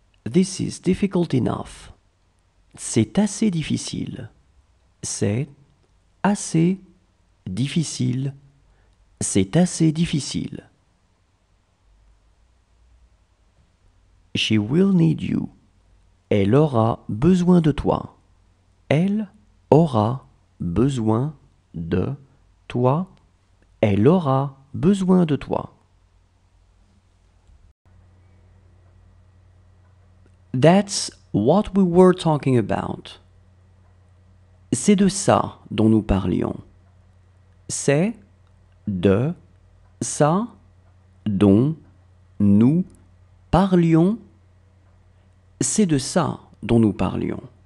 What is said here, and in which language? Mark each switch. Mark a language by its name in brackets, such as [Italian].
[English] This is difficult enough. [French] C'est assez difficile. C'est assez difficile. C'est assez difficile. [English] She will need you. [French] Elle aura besoin de toi. Elle aura besoin de toi. Elle aura besoin de toi. [English] That's what we were talking about. [French] C'est de ça dont nous parlions. C'est de ça dont nous parlions. C'est de ça dont nous parlions.